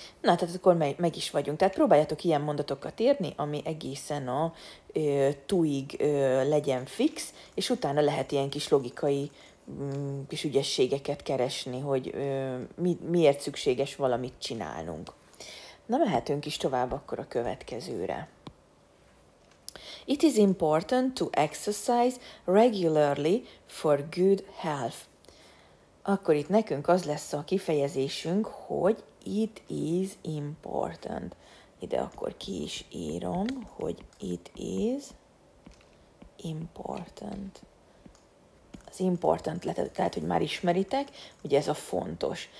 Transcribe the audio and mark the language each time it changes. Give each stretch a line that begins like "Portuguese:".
Hungarian: Na, tehát akkor meg is vagyunk. Tehát próbáljátok ilyen mondatokat írni, ami egészen a to-ig legyen fix, és utána lehet ilyen kis logikai kis ügyességeket keresni, hogy miért szükséges valamit csinálnunk. Na, mehetünk is tovább akkor a következőre.
English: It is important to exercise regularly for good health.
Hungarian: Akkor itt nekünk az lesz a kifejezésünk, hogy
English: it is important.
Hungarian: Ide akkor ki is írom, hogy
English: it is important.
Hungarian: Az important lett, tehát, hogy már ismeritek, ugye ez a fontos.